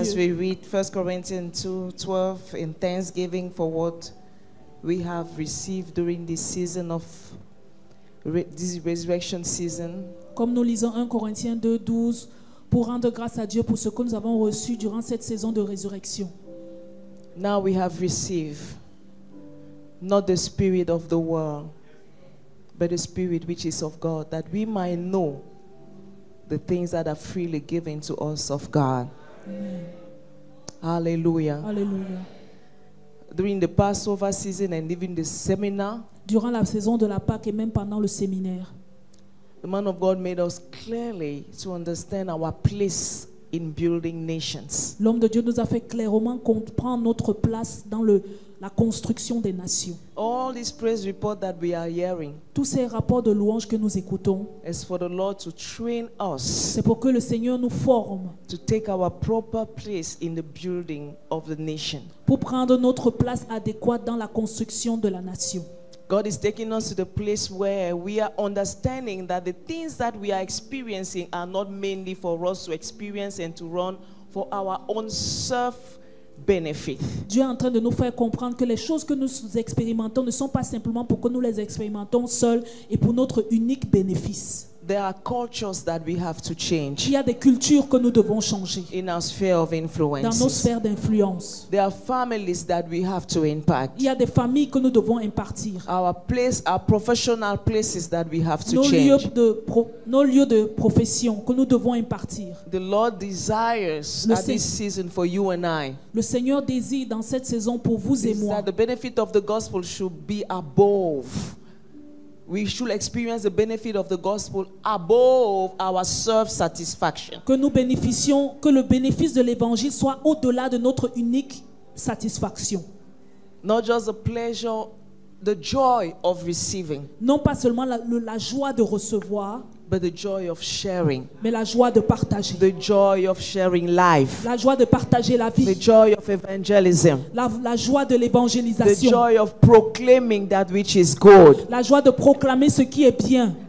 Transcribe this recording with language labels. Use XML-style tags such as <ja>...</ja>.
<en>As we read 1 Corinthians 2:12 in thanksgiving for what we have received during this season of this resurrection season.</en> <fr>Comme nous lisons 1 Corinthiens 2:12 pour rendre grâce à Dieu pour ce que nous avons reçu durant cette saison de résurrection.</fr> <en>Now we have received not the spirit of the world, but the spirit which is of God, that we might know the things that are freely given to us of God. Amen. Hallelujah. Hallelujah. During the Passover season and even the seminar,</en> <fr>durant la saison de la Pâque et même pendant le séminaire,</fr> <en>the man of God made us clearly to understand our place in building nations.</en> <fr>L'homme de Dieu nous a fait clairement comprendre notre place dans la construction des nations.</fr> <en>All these praise reports that we are hearing,</en> <fr>tous ces rapports de louanges que nous écoutons,</fr> <en>is for the Lord to train us,</en> <fr>c'est pour que le Seigneur nous forme,</fr> <en>to take our proper place in the building of the nation,</en> <fr>pour prendre notre place adéquate dans la construction de la nation.</fr> <en>God is taking us to the place where we are understanding that the things that we are experiencing are not mainly for us to experience and to run for our own self-benefit.</en> <fr>Dieu est en train de nous faire comprendre que les choses que nous expérimentons ne sont pas simplement pour que nous les expérimentons seuls et pour notre unique bénéfice.</fr> <en>There are cultures that we have to change.</en> <fr>Il y a des cultures que nous devons changer.</fr> <en>In our sphere of influence.</en> <fr>Dans nos sphères d'influence.</fr> <en>There are families that we have to impact.</en> <fr>Il y a des familles que nous devons impartir.</fr> <en>Our place, our professional places that we have to change.</en> <fr>Nos lieux de profession que nous devons impartir.</fr> <en>The Lord desires at this season for you and I.</en> <fr>Le Seigneur désire dans cette saison pour vous et moi.</fr> <en>That the benefit of the gospel should be above. We should experience the benefit of the gospel above our self-satisfaction.</en> <fr>Que nous bénéficions, que le bénéfice de l'évangile soit au-delà de notre unique satisfaction.</fr> <en>Not just the pleasure, the joy of receiving.</en> <fr>Non pas seulement la joie de recevoir,</fr> <en>but the joy of sharing.</en> <fr>Mais la joie de partager.</fr> <en>The joy of sharing life.</en> <fr>La joie de partager la vie.</fr> <en>The joy of evangelism.</en> <fr>La joie de l'évangélisation.</fr> <en>The joy of proclaiming that which is good.</en> <fr>La joie de proclamer ce qui est bien.</fr>